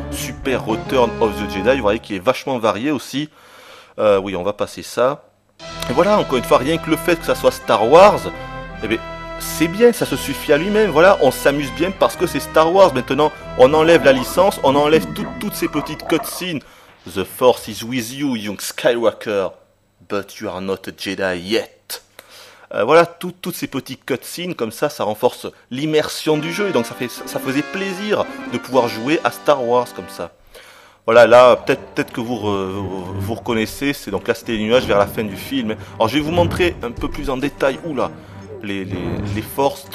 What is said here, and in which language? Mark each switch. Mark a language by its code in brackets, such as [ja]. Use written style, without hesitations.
[fr] Super Return of the Jedi, vous voyez qu'il est vachement varié aussi. Oui, on va passer ça. Et voilà, encore une fois, rien que le fait que ça soit Star Wars, eh bien, c'est bien, ça se suffit à lui-même. Voilà, on s'amuse bien parce que c'est Star Wars. Maintenant, on enlève la licence, on enlève toutes ces petites cutscenes. [en] The Force is with you, young Skywalker, but you are not a Jedi yet. [fr] Voilà, toutes ces petites cutscenes, comme ça, ça renforce l'immersion du jeu. Et donc, ça faisait plaisir de pouvoir jouer à Star Wars comme ça. Voilà, là, peut-être que vous reconnaissez, c'est donc là, c'était les nuages vers la fin du film. Alors, je vais vous montrer un peu plus en détail, oula, les forces.